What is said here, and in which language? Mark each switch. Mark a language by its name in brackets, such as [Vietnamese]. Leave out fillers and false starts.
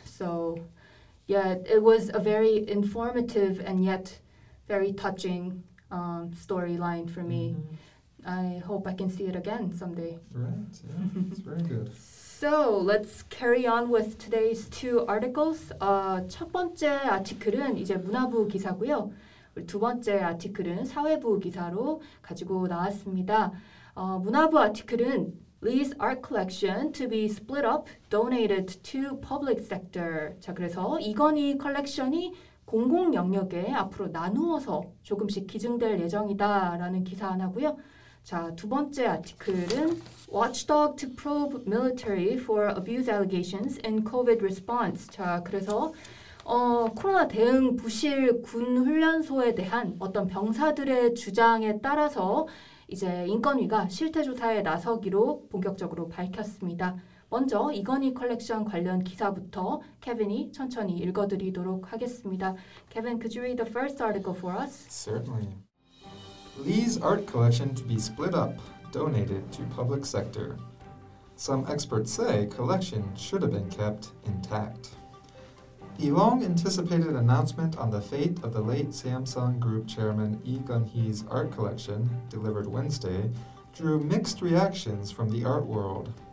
[English] So, yeah, it was a very informative and yet very touching storyline for me. Mm-hmm. I hope I can see it again someday. Right, yeah, it's very good. So let's carry on with today's two articles. [Korean] 첫 번째 아티클은 이제 문화부 기사고요. 두 번째 아티클은 사회부 기사로 가지고 나왔습니다. 문화부 아티클은 [English] Lee's art collection to be split up, donated to public sector. [Korean] 자, 그래서 이건희 컬렉션이 공공 영역에 앞으로 나누어서 조금씩 기증될 예정이다라는 기사 하나고요. 자, 두 번째 아티클은 [English] Watchdog to probe military for abuse allegations in COVID response. [Korean] 자, 그래서 코로나 대응 부실 군 훈련소에 대한 어떤 병사들의 주장에 따라서 이제 인권위가 실태 조사에 나서기로 본격적으로 밝혔습니다. 먼저 이건희 컬렉션 관련 기사부터 케빈이 천천히 읽어드리도록 하겠습니다. [English] Kevin, could you read the first article for us? Certainly. Lee's art collection to be split up, donated to public sector. Some experts say collection should have been kept intact. The long-anticipated announcement on the fate of the late Samsung Group chairman Lee Gun-hee's art collection, delivered Wednesday, drew mixed reactions from the art world.